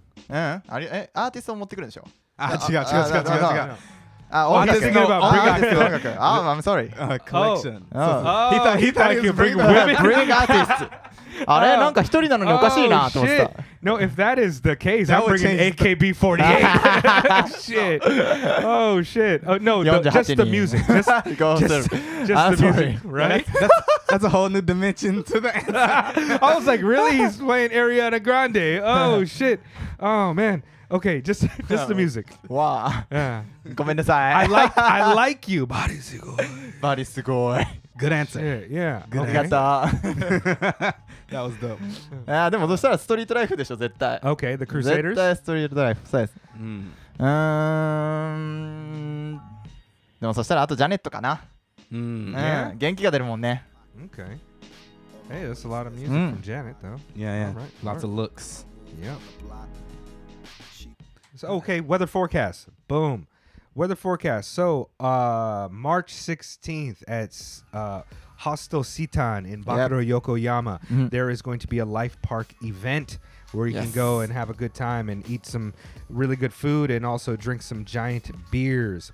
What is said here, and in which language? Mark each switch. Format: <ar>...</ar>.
<ja>あれ、え、アーティストを持ってくるでしょ？あ、違う違う違う違う違う。</ja> <en>I'm thinking about bringing artists. Oh, I'm sorry. Collection. Oh. So, oh, he thought he could bring artists. No, if that is the case, I'm bringing AKB48. Shit. Oh, shit. Oh, no, just the music. Just the music, right? That's a whole new dimension to the answer. I was like, really? He's playing Ariana Grande. Oh, shit. Oh, man. Okay, just the music. Wow. Yeah. I like you. Body sugoi. Body sugoi. Good answer. Shit, yeah. Good answer. Okay. That was dope.</en> <ja>Yeah, でもそしたらストリートライフでしょ絶対。</ja> <en>Okay, the Crusaders.</en> <ja>絶対ストリートライフ。そうです。でもそしたらあとジャネットかな。元気が出るもんね。</ja> <en>Okay. Hey, that's a lot of music from Janet, though. Yeah, yeah. Right, lots of looks. Yep. So, okay, weather forecast. Boom. Weather forecast. So, March 16th at Hostel Sitan in Bakuro, Yokoyama, there is going to be a Life Park event where you can go and have a good time and eat some really good food and also drink some giant beers.</en>